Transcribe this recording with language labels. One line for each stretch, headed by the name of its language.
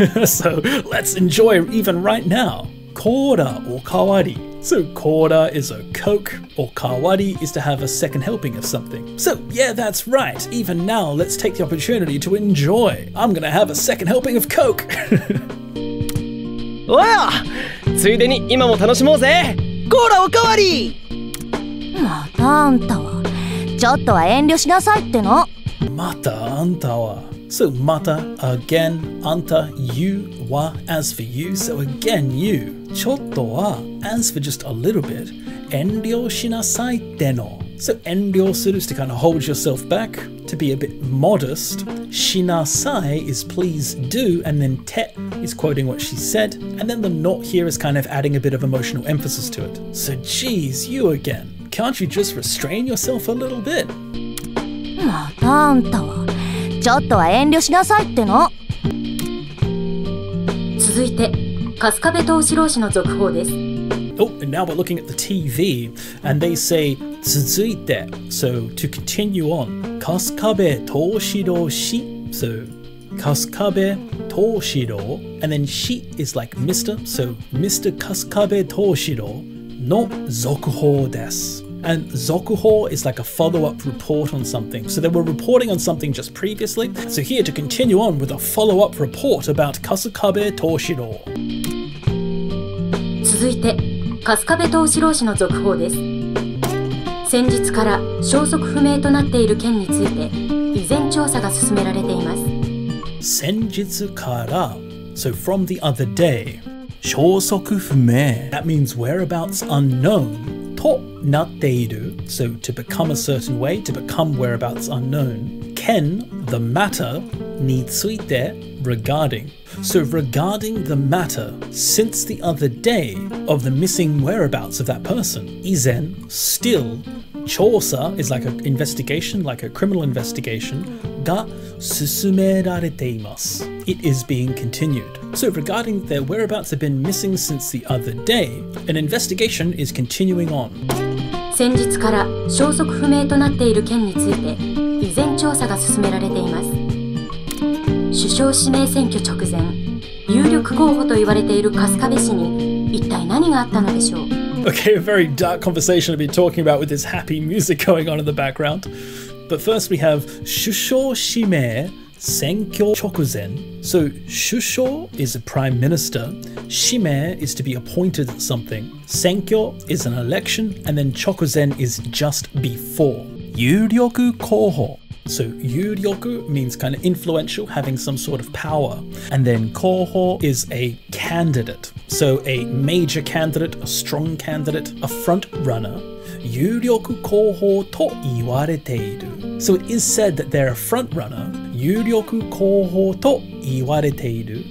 English: So let's enjoy even right now.
Japanese: コーラおかわり.
English: So コーラ is a Coke, or かわり is to have a second helping of something. So yeah, that's right. Even now, let's take the opportunity to enjoy. I'm gonna have a second helping of Coke.
Japanese: わあ、ついでに今も楽しもうぜ。コーラおかわり。またあんたは。ちょっとは遠慮しなさいっての。またあんたは。
English: So また again あんた you は as for you so again you ちょっとは as for just a little bit
Japanese: 遠慮しなさいっての。
English: So 遠慮する is to kind of hold yourself back, to be a bit modest. しなさい is please do, and then te is quoting what she said, and then the not here is kind of adding a bit of emotional emphasis to it. So geez, you again. Can't you just restrain yourself a little bit?
Japanese: またあんたは。ちょっとは遠慮しなさいっての。続いて、春日部藤四郎氏の続報です。
English: Oh, and now we're looking at the TV, and they say, tsuzuite, so to continue on. Kasukabe Toshiro shi, so Kasukabe Toshiro, and then shi is like Mr., so Mr.
Japanese: Kasukabe Toshiro no zokuhou desu.
English: And zokuhou is like a follow-up report on something. So they were reporting on something just previously. So here to continue on with a follow-up report about Kasukabe Toshiro.
Japanese: 続いて春日部藤四郎氏の続報です。先日から消息不明となっている件について依然調査が進められています。
English: 先日から、so from the other day, 消息不明、that means whereabouts unknown, となっている、so to become a certain way, to become whereabouts unknown, 件、the matter, について、regarding. So regarding the matter, since the other day, of the missing whereabouts of that person, 以前, still, 調査 is like an investigation, like a criminal investigation,
Japanese: が進められています.
English: It is being continued. So regarding their whereabouts have been missing since the other day, an investigation is continuing on.
Japanese: 先日から消息不明となっている件について、依然調査が進められています。首相指名選挙直前、有力候補と言われている春日部氏に一体何があったのでしょう?
English: Okay, a very dark conversation to be talking about with this happy music going on in the background. But first we have 首相指名選挙直前. So 首相 is a prime minister. 指名 is to be appointed at something. 選挙 is an election. And then 直前 is just before.
Japanese: 有力候補
English: So, 有力 means kind of influential, having some sort of power. And then, 候補 is a candidate. So, a major candidate, a strong candidate, a front runner.
Japanese: 有力候補と言われている。
English: So it is said that they're a front runner.
Japanese: 有力候補と言われている。